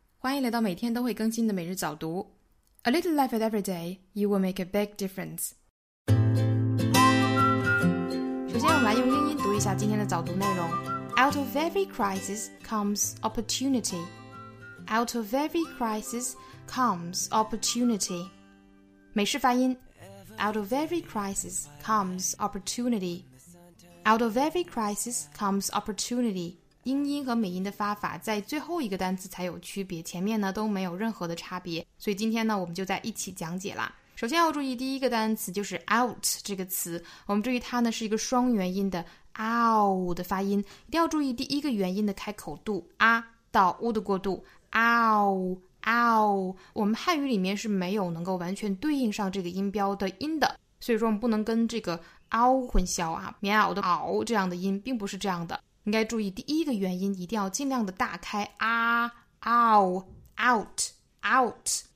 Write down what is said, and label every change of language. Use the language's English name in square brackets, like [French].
[Chinese] 欢迎来到每天都会更新的每日早读。 [English] A little life at every day, you will make a big difference. [Chinese] 首先我们来用英音读一下今天的早读内容。 [English] Out of every crisis comes opportunity. Out of every crisis comes opportunity. [Chinese] 美式发音。 [English] Out of every crisis comes opportunity. Out of every crisis comes opportunity. [Chinese] 英音和美音的发法在最后一个单词才有区别，前面呢都没有任何的差别，所以今天呢我们就在一起讲解啦。首先要注意第一个单词就是 out 这个词，我们注意它呢是一个双元音的 ow 的发音，一定要注意第一个元音的开口度，啊到 u 的过渡， ow ow， 我们汉语里面是没有能够完全对应上这个音标的音的，所以说我们不能跟这个 ow 混淆啊，棉袄的袄这样的音并不是这样的，应该注意第一个元音一定要尽量的大开，啊 ow out out